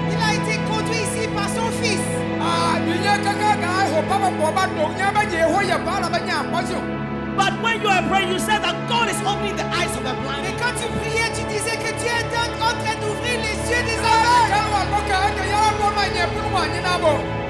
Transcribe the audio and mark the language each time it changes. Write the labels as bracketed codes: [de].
[fr] Il a été conduit ici par son fils. [en] But when you are praying, you say that God is opening the eyes of the blind. [fr] Et quand tu priais, tu disais que Dieu est en train d'ouvrir les yeux des aveugles.